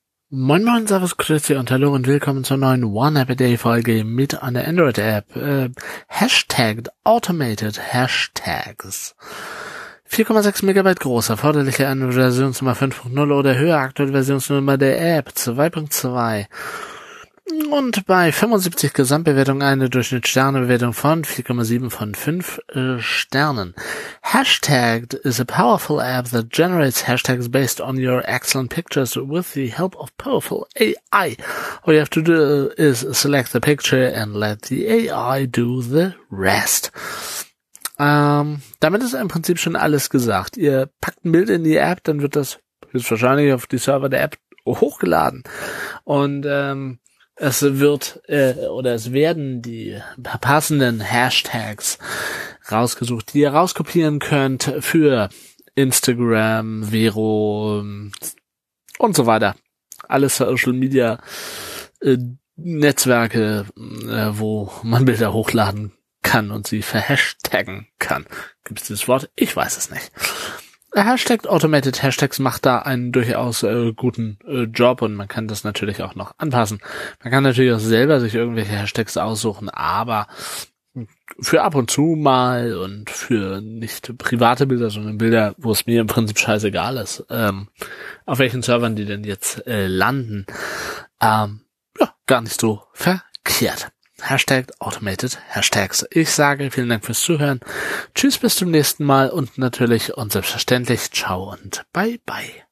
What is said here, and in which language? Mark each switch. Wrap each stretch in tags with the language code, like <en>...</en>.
<de>Moin Moin, Servus, Grüezi und Hallo und willkommen zur neuen One-App-A-Day-Folge mit einer Android-App.</de> <en>Hashtagged Automated Hashtags.</en> <de>4,6 Megabyte groß, erforderliche Android-Versionsnummer 5.0 oder höher, aktuelle Versionsnummer der App 2.2. Und bei 75 Gesamtbewertungen eine Durchschnittssternebewertung von 4,7 von 5 Sternen.</de> <en>Hashtagged is a powerful app that generates hashtags based on your excellent pictures with the help of powerful AI. All you have to do is select the picture and let the AI do the rest.</en> <de>Damit ist im Prinzip schon alles gesagt. Ihr packt ein Bild in die App, dann wird das höchstwahrscheinlich auf die Server der App hochgeladen. Und es werden die passenden Hashtags rausgesucht, die ihr rauskopieren könnt für Instagram, Vero und so weiter. Alle Social Media Netzwerke, wo man Bilder hochladen kann und sie verhashtaggen kann. Gibt es dieses Wort? Ich weiß es nicht. Hashtag Automated Hashtags macht da einen durchaus guten Job und man kann das natürlich auch noch anpassen. Man kann natürlich auch selber sich irgendwelche Hashtags aussuchen, aber für ab und zu mal und für nicht private Bilder, sondern Bilder, wo es mir im Prinzip scheißegal ist, auf welchen Servern die denn jetzt landen, ja, gar nicht so verkehrt. Hashtag Automated Hashtags. Ich sage vielen Dank fürs Zuhören. Tschüss, bis zum nächsten Mal und natürlich und selbstverständlich ciao und bye bye.</de>